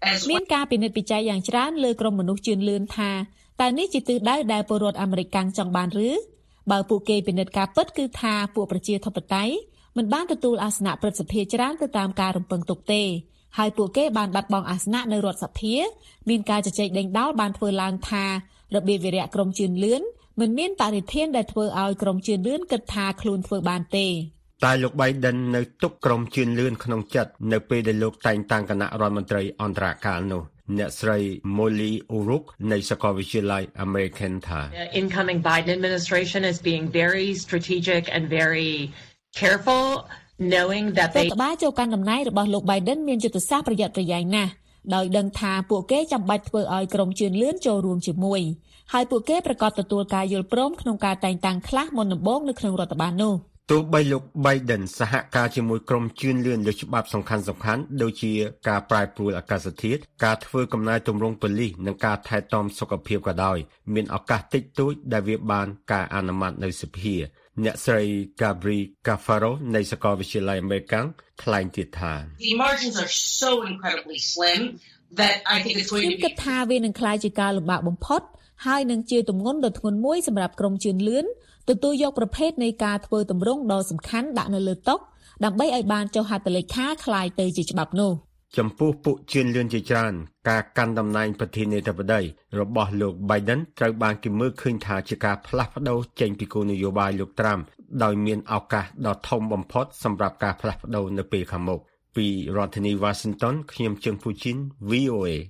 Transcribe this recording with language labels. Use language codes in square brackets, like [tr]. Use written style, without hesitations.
[km] មានការពិនិត្យពិច័យយ៉ាងច្រើនលើក្រុមមនុស្សជឿនលឿនថាតើនេះជាទិសដៅដែលពលរដ្ឋអាមេរិកចង់បានឬបើពួកគេពិនិត្យការពិតគឺថាពួកប្រជាធិបតេយ្យមិនបានទទួលអាសនៈប្រសិទ្ធភាពច្រើនទៅតាមការរំពឹងទុកទេហើយពួកគេបានបាត់បង់អាសនៈនៅរដ្ឋសភាមានការជជែកដេញដោលបានធ្វើឡើងថារបៀបវិរៈក្រុមជឿនលឿនមិនមានបរិធានដែលធ្វើឲ្យក្រុមជឿនលឿនគិតថាខ្លួនធ្វើបានទេ តែលោក Biden នៅទុកក្រុមជឿនលឿនក្នុងចិត្តនៅពេលដែលលោកតែងតាំងគណៈរដ្ឋមន្ត្រីអន្តរការនោះអ្នកស្រី Molly Uruk នៃសាកលវិទ្យាល័យ American Times [en] The incoming Biden administration is being very strategic and very careful knowing that they [km] តបាចូលកាន់តំណែងរបស់លោក Biden មានយុទ្ធសាស្ត្រប្រយ័ត្នប្រយែងណាស់ដោយដឹងថាពួកគេចាំបាច់ធ្វើឲ្យក្រុមជឿនលឿនចូលរួមជាមួយហើយពួកគេប្រកាសទទួលការយល់ព្រមក្នុងការតែងតាំងខ្លះមុនដំបូងនៅក្នុងរដ្ឋបាលនោះ ទោះបីលោក Biden សហការជាមួយក្រុមជឿនលឿនលើច្បាប់សំខាន់សំខាន់ដូចជាការប្រែប្រួលអាកាសធាតុការធ្វើកំណែទម្រង់ប៉ូលីសនិងការថែទាំសុខភាពក៏ដោយមានឱកាសតិចតួចដែលវាបានការអនុម័តនៅសភាអ្នកស្រី Gabrie Cafaro នៃសាកលវិទ្យាល័យ American ថ្លែងទៀតថា [en] The margins are so incredibly slim that I think it's going to be [km] គិតថាវានឹងក្លាយជាការលំបាកបំផុតហើយនឹងជាទម្ងន់ដ៏ធ្ងន់មួយសម្រាប់ក្រុមជឿនលឿនទទួលយកប្រភេទនៃការធ្វើទម្រង់ដ៏សំខាន់ដាក់នៅលើតុកដើម្បីឲ្យបានចុះហត្ថលេខា [th] คล้าย [km] ទៅជាច្បាប់នោះ ចំពោះពួកជឿនលឿនជាច្រើនការកាន់តំណែងប្រធានាធិបតីរបស់លោក Biden ត្រូវបានគេមើលឃើញថាជាការផ្លាស់ប្ដូរចេញពីគោលនយោបាយលោក Trump ដោយមានឱកាសដ៏ធំបំផុតសម្រាប់ការផ្លាស់ប្ដូរនៅពេលខាងមុខពីរដ្ឋធានី Washington ខ្ញុំជឹងពូជីន VOA